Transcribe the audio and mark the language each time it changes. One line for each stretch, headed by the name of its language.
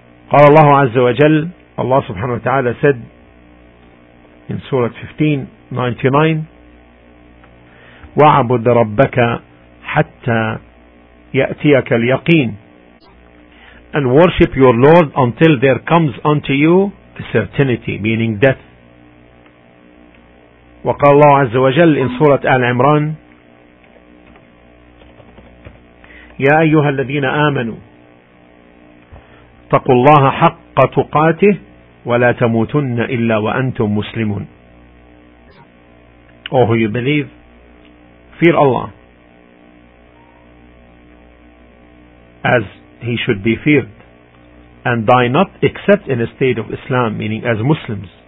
Arabic: قال الله عز وجل,
English: Allah subhanahu wa ta'ala said in Surah 15:99,
Arabic: وَعَبُدْ رَبَّكَ حَتَّى يَأْتِيَكَ الْيَقِينَ,
English: and worship your Lord until there comes unto you a certainty, meaning death.
Arabic: وقال الله عز وجل
English: in Surah Al Imran,
Arabic: يا أيها الذين آمنوا اتقوا الله حق تقاته ولا تموتن إلا وأنتم مسلمون.
English: Oh, who you believe, fear Allah as he should be feared, and die not except in a state of Islam, meaning as Muslims.